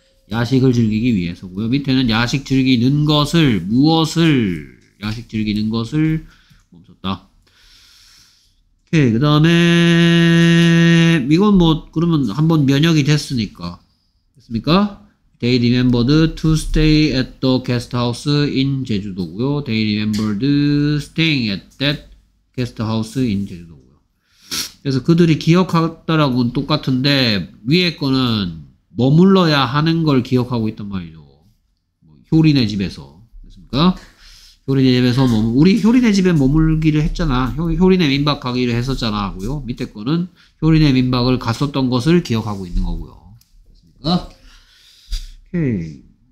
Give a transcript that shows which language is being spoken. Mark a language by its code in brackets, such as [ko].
[ko] 야식을 즐기기 위해서고요. 밑에는 야식 즐기는 것을, 무엇을, 야식 즐기는 것을 멈췄다. 오케이. 그 다음에, 이건 뭐, 그러면 한번 면역이 됐으니까. 됐습니까? [en] They remembered to stay at the guest house in 제주도고요. They remembered staying at that guest house in 제주도. [ko] 그래서 그들이 기억했다라고는 똑같은데 위에 거는 머물러야 하는 걸 기억하고 있단 말이죠. 뭐 효린의 집에서, 됐습니까? 효린의 집에서 우리 효린의 집에 머물기를 했잖아. 효린의 민박 가기를 했었잖아 하고요. 밑에 거는 효린의 민박을 갔었던 것을 기억하고 있는 거고요. 됐습니까? 오케이.